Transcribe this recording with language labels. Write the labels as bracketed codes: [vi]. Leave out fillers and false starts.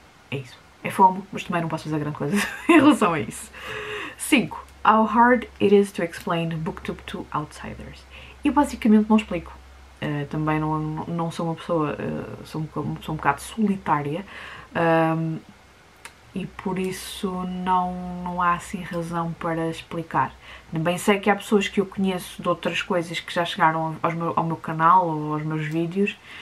[pt] É isso. É FOMO, mas também não posso fazer grande coisa em relação a isso. 5. [en] How hard it is to explain BookTube to outsiders. [pt] E basicamente não explico. Também não sou uma pessoa. Sou um bocado solitária. E por isso não há assim razão para explicar. Também sei que há pessoas que eu conheço de outras coisas que já chegaram ao meu canal ou aos meus vídeos.